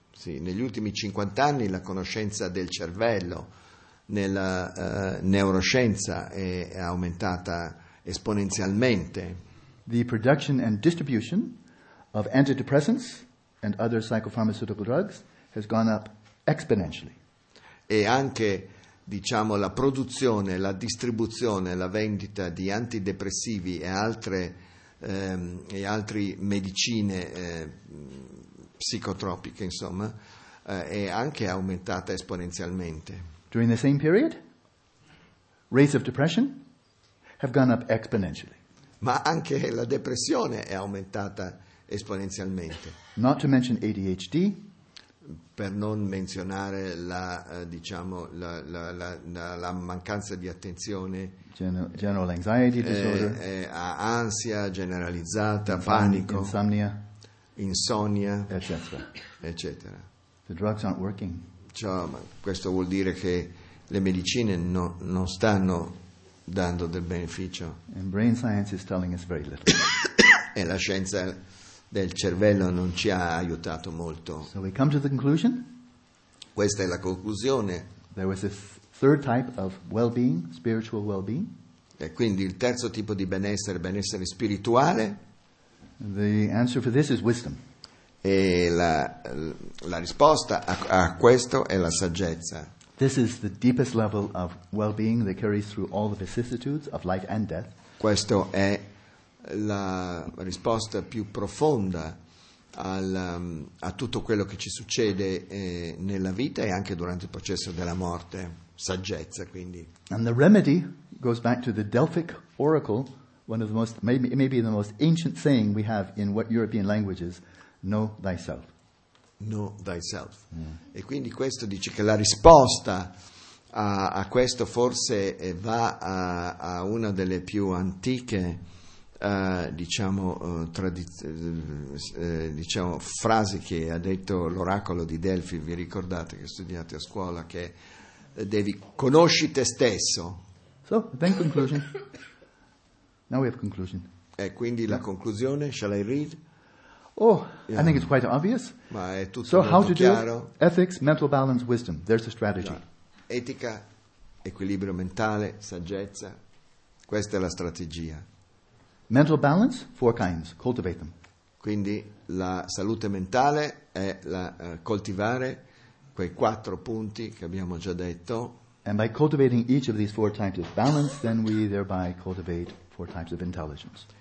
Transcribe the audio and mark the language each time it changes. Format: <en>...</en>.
<it>Sì, negli ultimi 50 anni la conoscenza del cervello nella neuroscienza è aumentata esponenzialmente.</it> <en>The production and distribution of antidepressants and other psychopharmaceutical drugs has gone up exponentially.</en> <it>E anche diciamo la produzione, la distribuzione, la vendita di antidepressivi e altre e altre medicine psicotropiche, insomma, è anche aumentata esponenzialmente.</it> <en>During the same period, rates of depression have gone up exponentially.</en> <it>Ma anche la depressione è aumentata esponenzialmente.</it> <en>Not to mention ADHD.</en> <it>Per non menzionare la mancanza di attenzione,</it> <en>general anxiety disorder,</en> <it>ansia generalizzata, panico,</it> <en>insomnia,</en> <it>eccetera.</it> <en>The drugs aren't working.</en> <it>Cioè, questo vuol dire che le medicine non stanno dando del beneficio.</it> <en>And brain science is telling us very little.</en> <it>E la scienza del cervello non ci ha aiutato molto.</it> <en>So we come to the conclusion.</en> <it>Questa è la conclusione.</it> <en>There was a third type of well-being, spiritual well-being.</en> <it>E quindi il terzo tipo di benessere, benessere spirituale.</it> <en>The answer for this is wisdom.</en> <it>E la risposta a questo è la saggezza.</it> <en>This is the deepest level of well-being that carries through all the vicissitudes of life and death.</en> <it>Questo è la risposta più profonda a tutto quello che ci succede nella vita e anche durante il processo della morte, saggezza quindi.</it> <en>And the remedy goes back to the Delphic oracle, one of the most, maybe the most ancient saying we have in what European languages, know thyself. Know thyself. Mm.</en> <it>E quindi questo dice che la risposta a questo forse va a una delle più antiche frasi che ha detto l'oracolo di Delfi, vi ricordate che studiate a scuola, che devi conosci te stesso.</it> <en>So, then conclusion. Now we have conclusion.</en> <it>E quindi la conclusione,</it> <en>shall I read? Oh, yeah. I think it's quite obvious.</en> <it>Ma è tutto</it> <en>so</en> <it>molto</it> <en>how to</en> <it>chiaro.</it> <en>Do ethics, mental balance, wisdom. There's a strategy. No.</en> <it>Etica, equilibrio mentale, saggezza. Questa è la strategia.</it> <en>Mental balance, four kinds, cultivate them.</en> <it>Quindi la salute mentale è la coltivare quei quattro punti che abbiamo già detto.</it> <en>And by cultivating each of these four types of balance, then we thereby cultivate four types of intelligence.</en>